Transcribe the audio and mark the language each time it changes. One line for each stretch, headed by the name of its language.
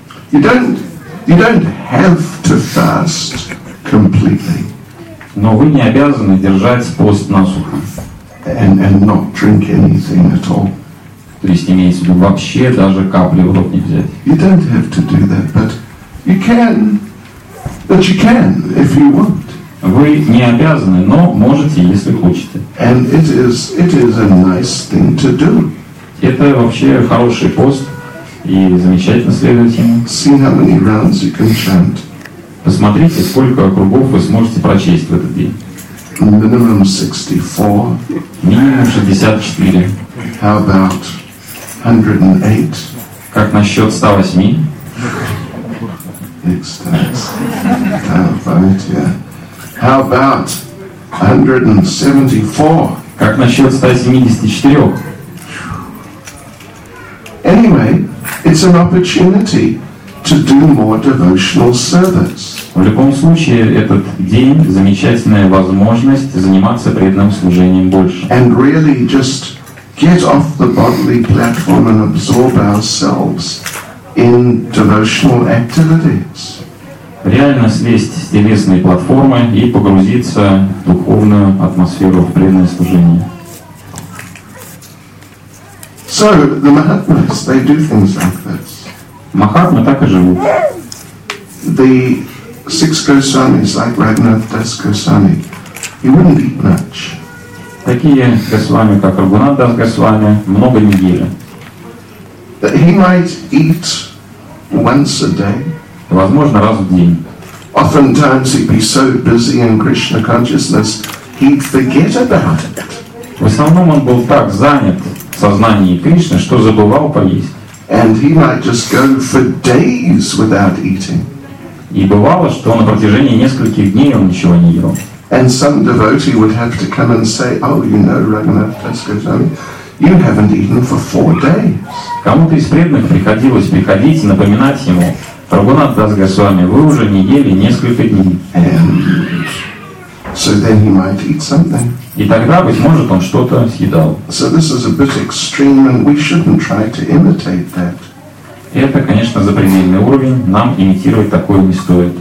English: You don't have to fast completely.
Russian: Но вы не обязаны держать пост насухо.
English: And not drink anything at all.
Russian: То есть имеется в виду вообще даже капли в рот не взять.
English: You don't have to do that, but you can. But you can if you want.
Russian: Вы не обязаны, но можете, если хотите.
English: And it is a nice thing to do.
Russian: Это вообще хороший пост. И замечательно следовать ему.
English: See how many rounds you can chant.
Russian: Посмотрите, сколько кругов вы сможете прочесть в этот день.
English: Minimum 64.
Russian: Минимум 64.
English: How about 108?
Russian: Как насчет 108?
English: How about 174?
Russian: Как насчет 174?
English: Anyway, it's an opportunity to do more devotional service.
Russian: В любом случае, этот день – замечательная возможность заниматься преданным служением больше.
English: And really just get off the bodily platform and absorb ourselves in devotional activities.
Russian: Реально слезть с телесной платформы и погрузиться в духовную атмосферу, в преданное служение.
English: So the Mahatmas, they do things like this.
Russian: Махатмы так и живут.
English: The six Gosamis, like Raghunath Das Gosami, he wouldn't eat much.
Russian: Такие Госвами, как Рагунат Дас Госвами, много не ели.
English: But he might eat once a day.
Russian: Возможно, раз в день.
English: Oftentimes he'd be so busy in Krishna consciousness, he'd forget about it.
Russian: В основном он был так занят в сознании Кришны, что забывал поесть.
English: And he might just go for days without eating.
Russian: И бывало, что на протяжении нескольких дней он ничего не ел.
English: And some devotee would have to come and say, oh, you know, Raghunath Das Gosami, you haven't eaten for 4 days.
Russian: Кому-то из преданных приходилось приходить и напоминать ему, Раghunath Das Gosami, вы уже не ели несколько дней.
English: So then he might eat something.
Russian: И тогда, быть может, он что-то съедал.
English: So this is a bit extreme, and we shouldn't try to imitate that.
Russian: Это, конечно, запредельный уровень. Нам имитировать такое не стоит.